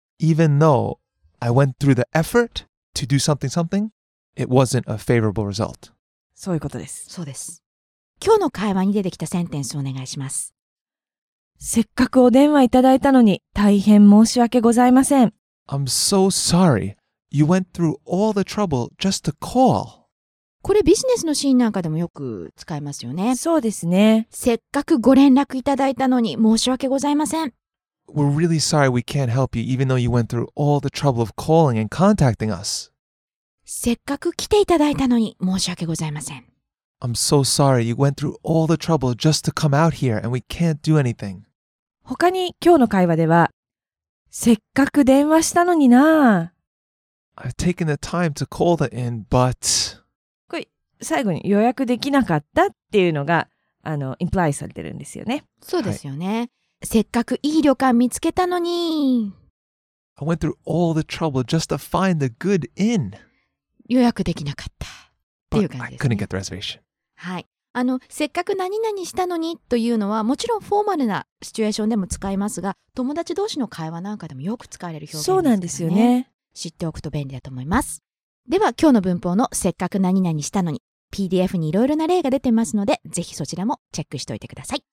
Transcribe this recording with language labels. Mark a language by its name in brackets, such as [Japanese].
[English] Even though I went through the effort to do something something, it wasn't a favorable result. [Japanese] そういうことです。そうです。今日の会話に出てきたセンテンスをお願いします。せっかくお電話いただいたのに、大変申し訳ございません。 [English] I'm so sorry. You went through all the trouble just to call. [Japanese] これビジネスのシーンなんかでもよく使いますよね。そうですね。せっかくご連絡いただいたのに申し訳ございません。 [English] We're really sorry we can't help you even though you went through all the trouble of calling and contacting us. [Japanese] せっかく来ていただいたのに申し訳ございません。 [English] I'm so sorry you went through all the trouble just to come out here and we can't do anything. [Japanese] 他に今日の会話では、せっかく電話したのにな。 [English] I've taken the time to call the inn, but... [Japanese] 最後に予約できなかったっていうのがインプライされてるんですよね。そうですよね、はい、せっかくいい旅館見つけたのに。 [English] I went through all the trouble just to find the good inn. [Japanese] 予約できなかったっていう感じですね。 [English] But I couldn't get the reservation. [Japanese] はい、せっかく何々したのにというのはもちろんフォーマルなシチュエーションでも使いますが、友達同士の会話なんかでもよく使われる表現ですからね。そうなんですよね。知っておくと便利だと思います。では今日の文法のせっかく何々したのに、 PDF にいろいろな例が出てますので、ぜひそちらもチェックしておいてください。